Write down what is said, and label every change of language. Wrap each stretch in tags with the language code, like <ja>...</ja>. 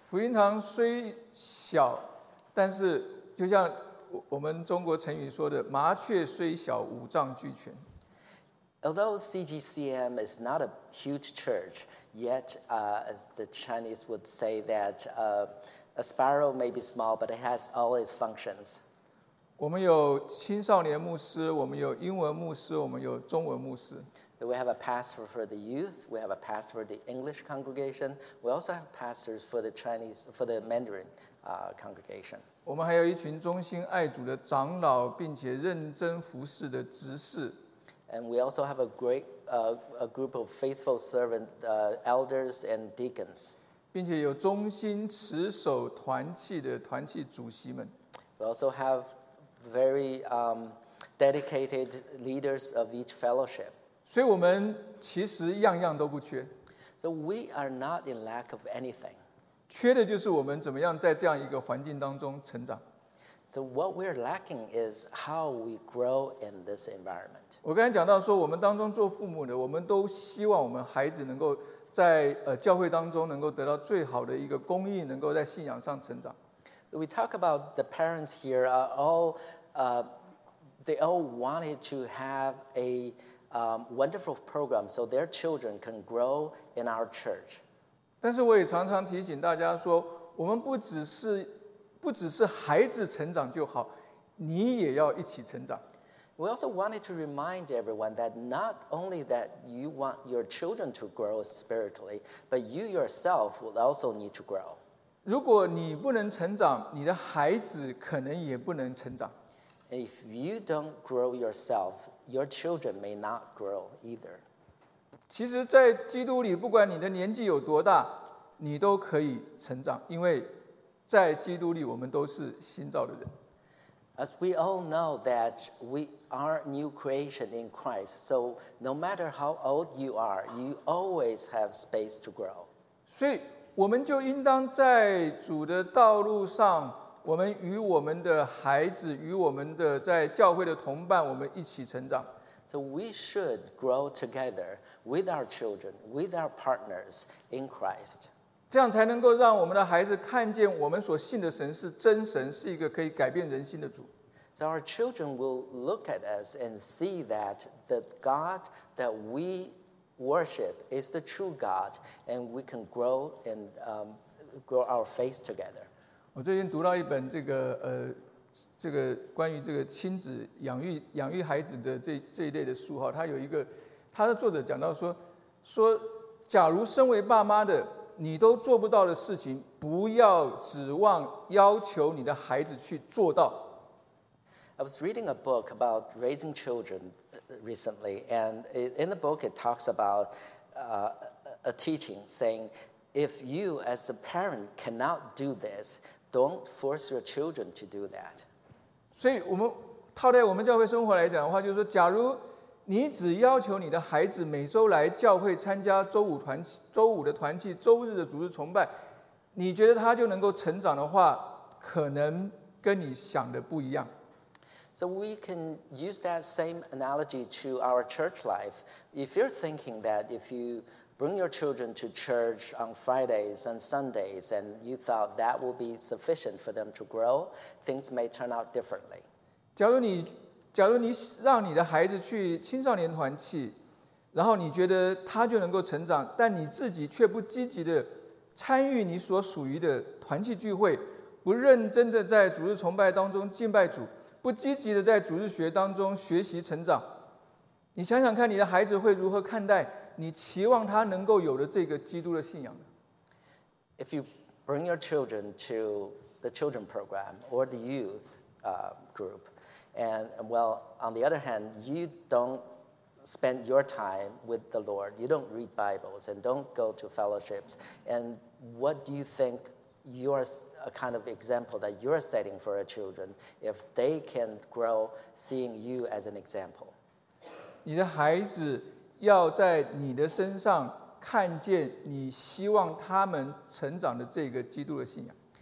<zh>福音堂虽小，但是就像我们中国成语说的，麻雀虽小，五脏俱全。</zh> <en>Although CGCM is not a huge church, yet, as the Chinese would say, that a sparrow may be small, but it has all its functions.</en> <zh>我们有青少年牧师，我们有英文牧师，我们有中文牧师。</zh> <en>We have a pastor for the youth. We have a pastor for the English congregation. We also have pastors for the Chinese, for the Mandarin congregation.</en> <zh>我们还有一群忠心爱主的长老，并且认真服侍的执事。</zh> <en>And we also have a great a group of faithful servant elders and deacons.</en> <zh>并且有忠心持守团契的团契主席们。</zh> <en>We also have very dedicated leaders of each fellowship.</en> <zh>所以我们其实样样都不缺。</zh> <en>So we are not in lack of anything.</en> <zh>缺的就是我们怎么样在这样一个环境当中成长。</zh> <en>So what we're lacking is how we grow in this environment.</en> <zh>我刚才讲到说，我们当中做父母的，我们都希望我们孩子能够在教会当中能够得到最好的一个供应，能够在信仰上成长。</zh> <en>We talk about the parents here are all, they all wanted to have a wonderful program so their children can grow in our church.</en> <zh>但是我也常常提醒大家说，我们不只是孩子成长就好，你也要一起成长。</zh> <en>We also wanted to remind everyone that not only that you want your children to grow spiritually, but you yourself will also need to grow.</en> <zh>如果你不能成长，你的孩子可能也不能成长。</zh> <en>If you don't grow yourself, your children may not grow either.</en> <zh>其实在基督里，不管你的年纪有多大，你都可以成长，因为在基督里我们都是新造的人。</zh> <en>As we all know that we are new creation in Christ, so no matter how old you are, you always have space to grow.</en> <zh>所以我们就应当在主的道路上，我们与我们的孩子，与我们的在教会的同伴，我们一起成长。</zh> <en>So we should grow together with our children, with our partners in Christ.</en> <zh>这样才能够让我们的孩子看见我们所信的神是真神，是一个可以改变人心的主。</zh> <en>So our children will look at us and see that the God that we worship is the true God, and we can grow and grow our faith together.</en> <zh>我最近读到一本这个关于这个亲子养育孩子的这一类的书哈，它有一个，它的作者讲到说，假如身为爸妈的你都做不到的事情，不要指望要求你的孩子去做到。</zh> <en>I was reading a book about raising children recently, and in the book it talks about a teaching saying, if you as a parent cannot do this, don't force your children to do that.</en> <zh>所以我们套在我们教会生活来讲的话，就是说，假如你只要求你的孩子每周来教会参加周五的团契、周日的主日崇拜，你觉得他就能够成长的话，可能跟你想的不一样。</zh> <en>So we can use that same analogy to our church life. If you're thinking that if you bring your children to church on Fridays and Sundays, and you thought that will be sufficient for them to grow, things may turn out differently.</en> <zh>假如你让你的孩子去青少年团契，然后你觉得他就能够成长，但你自己却不积极的参与你所属于的团契聚会，不认真的在主日崇拜当中敬拜主，不积极的在主日学当中学习成长，你想想看，你的孩子会如何看待你期望他能够有的这个基督的信仰呢？</zh> <en>If you bring your children to the children program or the youth group. And well, on the other hand, you don't spend your time with the Lord. You don't read Bibles and don't go to fellowships. And what do you think you're a kind of example that you're setting for our children if they can grow seeing you as an example?</en> <zh>你的孩子要在你的身上看见你希望他们成长的这个基督的信仰。</zh>